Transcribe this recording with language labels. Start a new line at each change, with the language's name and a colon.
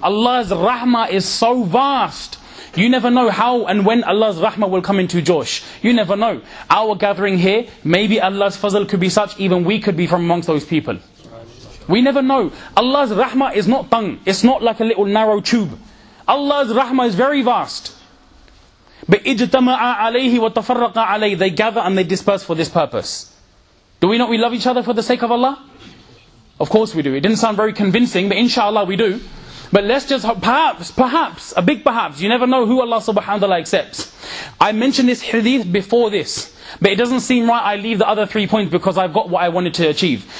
English: Allah's rahmah is so vast. You never know how and when Allah's rahmah will come into Josh. You never know. Our gathering here, maybe Allah's fazl could be such, even we could be from amongst those people. We never know. Allah's rahmah is not tongue. It's not like a little narrow tube. Allah's rahmah is very vast.
Arabic: But اِجْتَمَعَ عَلَيْهِ وَتَفَرَّقَ عَلَيْهِ.
English: They gather and they disperse for this purpose. Do we not? We love each other for the sake of Allah? Of course we do. It didn't sound very convincing, but inshallah we do. But let's just hope, perhaps, a big perhaps, you never know who Allah subhanahu wa ta'ala accepts. I mentioned this hadith before this, but it doesn't seem right I leave the other 3 points because I've got what I wanted to achieve.